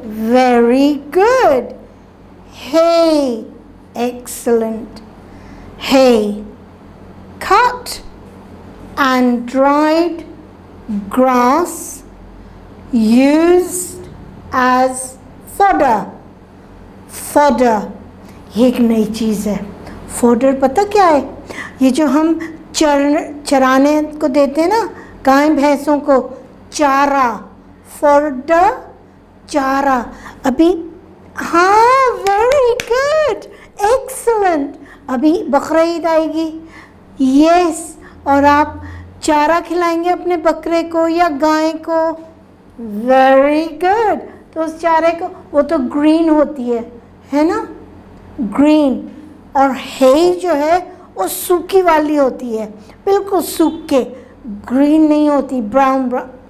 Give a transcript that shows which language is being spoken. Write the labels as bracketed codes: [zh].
[en] Very good. Hay. Excellent. Hay. Cut and dried grass used as fodder. [hi] Fodder. ये एक नई चीज़ है. Fodder पता क्या है? ये जो हम चराने को देते हैं ना, गाय भैंसों को चारा. [en] Fodder, [hi] चारा. अभी हाँ, [en] very good, excellent. [hi] अभी बकरा ईद आएगी. Yes. और आप चारा खिलाएंगे अपने बकरे को या गाय को? [en] Very good. [hi] तो उस चारे को, वो तो ग्रीन होती है ना, ग्रीन. और हे जो है वो सूखी वाली होती है, बिल्कुल सूख के, ग्रीन नहीं होती, ब्राउन ब्राउन.